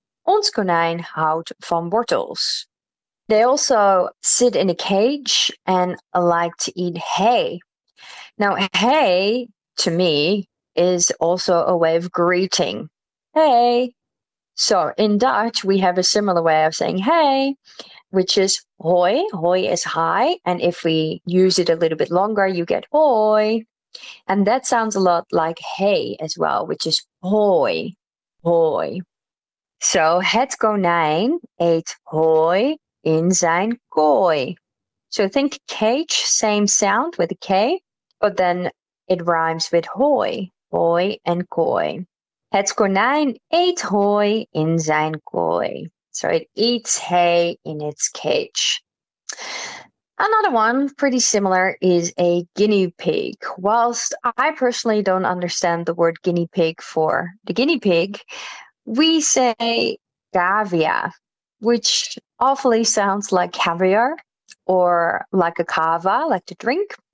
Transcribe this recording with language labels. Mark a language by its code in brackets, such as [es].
[nl] Ons konijn houdt van wortels. [en] They also sit in a cage and like to eat hay. Now, hey, to me, is also a way of greeting. Hey. So in Dutch, we have a similar way of saying hey, which is hoi. Hoi is hi. And if we use it a little bit longer, you get hoi. And that sounds a lot like hey as well, which is hoi, hoi. [nl] So het konijn eet hoi in zijn kooi. [en] So think cage, same sound with a K. But then it rhymes with hoi, hoi and kooi. [nl] Het konijn eet hooi in zijn kooi. [en] So it eats hay in its cage. Another one, pretty similar, is a guinea pig. Whilst I personally don't understand the word guinea pig for the guinea pig, we say cavia, which awfully sounds like caviar or like a cava, like to drink.